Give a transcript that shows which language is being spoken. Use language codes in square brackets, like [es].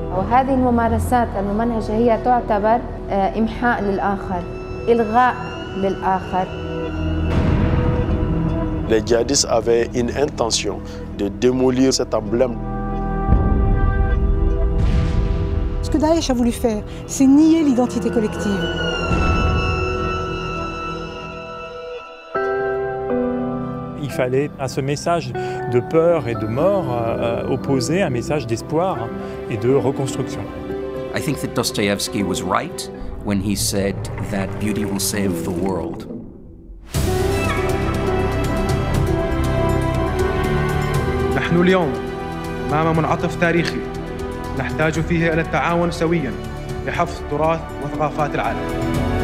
[ar] هذه الممارسات الممنهجة هي تعتبر إمحاء للآخر، إلغاء للآخر. [fr] Les djihadistes avaient une intention de démolir cet emblème. Ce que Daesh a voulu faire, c'est nier l'identité collective. Il fallait à ce message de peur et de mort opposer un message d'espoir et de reconstruction. [en] I think that Dostoevsky was right when he said that beauty will save the world. [ar] نحن اليوم أمام منعطف تاريخي نحتاج فيه إلى التعاون سويا لحفظ تراث وثقافات العالم.